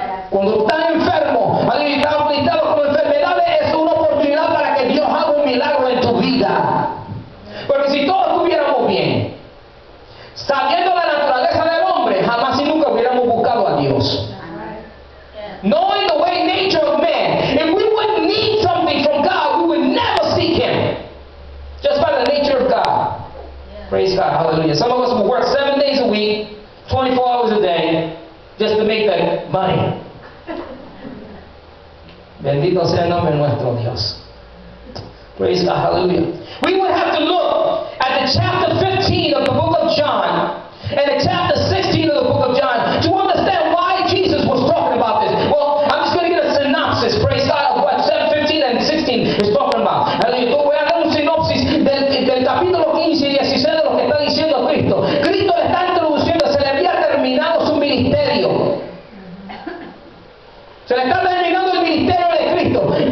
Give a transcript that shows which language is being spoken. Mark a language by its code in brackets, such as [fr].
[es] Cuando estás enfermo, alguien está afligido con enfermedades, es una oportunidad para que Dios haga un milagro en tu vida. Porque si todos estuviéramos bien, sabiendo la naturaleza del hombre, jamás y nunca hubiéramos buscado a Dios. [en] Knowing the way nature of man, if we wouldn't need something from God, we would never seek Him. Just by the nature of God. Yeah. Praise God, hallelujah. Some of us will work 7 days a week, 24 hours a day, just to make that money. [es] Bendito sea el nombre nuestro Dios. [en] Praise God, hallelujah. We would have to look at the chapter 15 of the book of John, and the chapter 16 of the book of John, to understand why Jesus was talking about this. Well, I'm just going to get a synopsis, praise God, of what 7, 15, and 16 is talking about. Hallelujah. [es] Voy a dar un sinopsis del capítulo 15 y 16 de lo que está diciendo Cristo. Cristo le está introduciendo, se le había terminado su ministerio. Se le está terminando el ministerio de Cristo.